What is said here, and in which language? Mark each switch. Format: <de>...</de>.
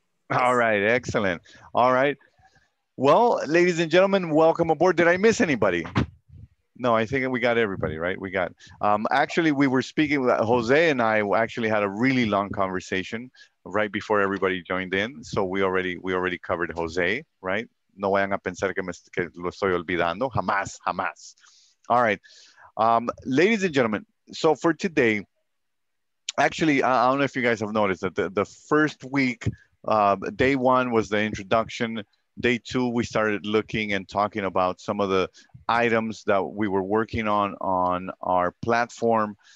<en>All right, excellent. All right. Well, ladies and gentlemen, welcome aboard. Did I miss anybody? No, I think we got everybody, right? We got, actually, we were speaking with Jose and I actually had a really long conversation right before everybody joined in. So we already covered Jose, right?</en> <es>No vayan a pensar que lo estoy olvidando. Jamás.</es> <en>All right. Ladies and gentlemen, so for today, actually, I don't know if you guys have noticed that the first week, day one was the introduction. Day two, we started looking and talking about some of the items that we were working on our platform.</en>